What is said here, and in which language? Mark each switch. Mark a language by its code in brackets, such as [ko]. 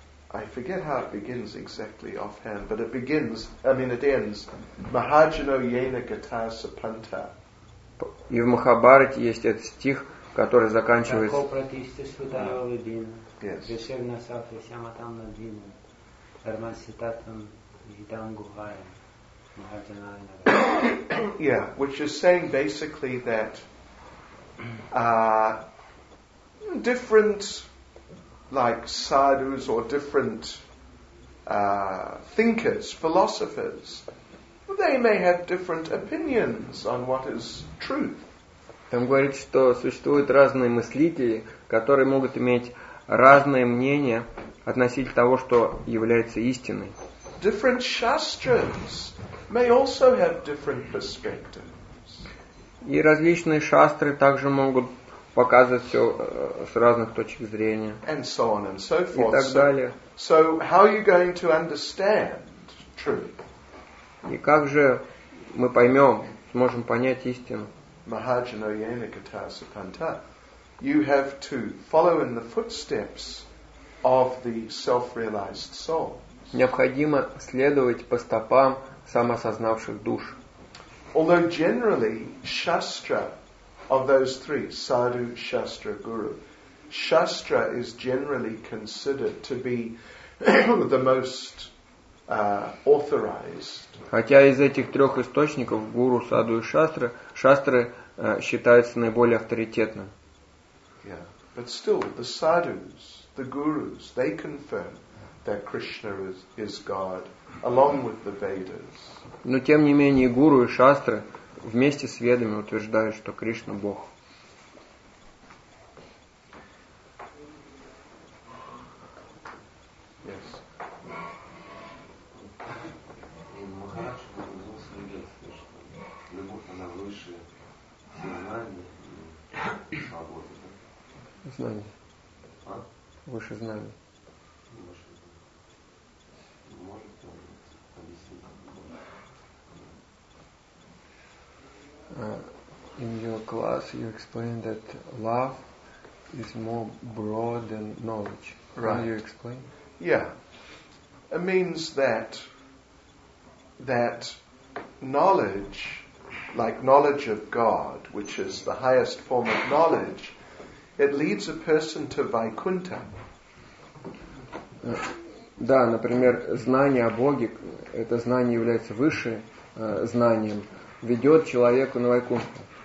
[en] I forget how it begins exactly offhand, but it ends. [sa] Mahajano yena gata sapanta. [ru] И в Махабхарате есть этот стих, который заканчивается. Тако пратисти сутаро видина. Весерна сафи сяматам надвина. Армаситатам гитам гухая. [sa] Mahajano yena gata. [en] Yeah, which is saying basically that different, like sadhus or different thinkers, philosophers, they may have different opinions on what is truth. [ru] Там говорит, что существуют разные мыслители, которые могут иметь разное мнение относительно того, что является истиной. [en] Different shastras may also have different perspectives. [ru] И различные шастры также могут показывать все с разных точек зрения. [en] And so on and so forth. [ru] И так далее. [en] So how are you going to understand truth? [ru] И как же мы поймем, сможем понять истину? [sa] Mahajano yena gata sapanta. [en] You have to follow in the footsteps of the self-realized soul. [ru] Необходимо следовать по стопам самосознавших душ. [en] Although generally shastra of those three, sadhu, shastra, guru, shastra is generally considered to be the most authorized. [ru] Хотя из этих трех источников, гуру, саду и шастра, шастры считаются наиболее авторитетным. [en] Yeah, but still, the sadhus, the gurus, they confirm that Krishna is God, along with the Vedas. [ru] Но тем не менее, гуру и шастры вместе с ведами утверждают, что Кришна – Бог. [en] Yes. [ru] И Махарадж был свидетель, что любовь, она выше знания и свободы. Да? Знания. А? Выше знания. [en] In your class, you explained that love is more broad than knowledge. Right. Can you explain? Yeah. It means that knowledge, like knowledge of God, which is the highest form of knowledge, it leads a person to Vaikuntha. [ru] Да, например, знание о Боге, это знание является высшим знанием, ведет человека на Вайкунту.